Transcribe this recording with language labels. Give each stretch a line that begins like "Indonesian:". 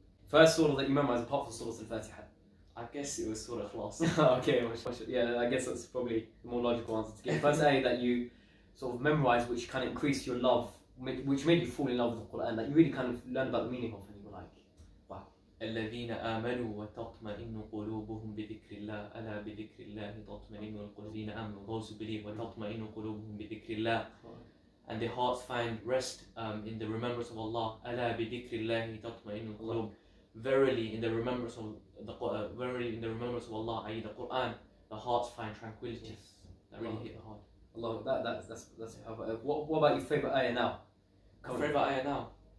English: First surah that you memorize apart from Surah Al-Fatiha? I guess it was Surah Ikhlas. Okay, mashaAllah. Yeah, I guess that's probably the more logical answer to give. First ayah that you sort of memorize, which kind of increased your love, which made you fall in love with the Quran, that you really kind of learned about the meaning of, and you were like, wow.
Arabic: الَّذِينَ آمَنُوا وَتَطْمَئِنُّ قُلُوبُهُمْ بِذِكْرِ اللَّهِ أَلَا بِذِكْرِ اللَّهِ تَطْمَئِنُّ الَّذِينَ آمَنُوا
English: those who believe
Arabic: وَتَطْمَئِنُّ قُلُوبُهُمْ بِذِكْرِ اللَّهِ
English: And their hearts find rest in the remembrance of Allah.
Arabic: Ala bi dhikri Allahi tatma'innu al-qulub.
English: Verily, in the remembrance of Allah, i.e. the Quran, the hearts find tranquility. Yes. That really hit the heart. Allah, that's what about your favorite ayah now? Favorite ayah now.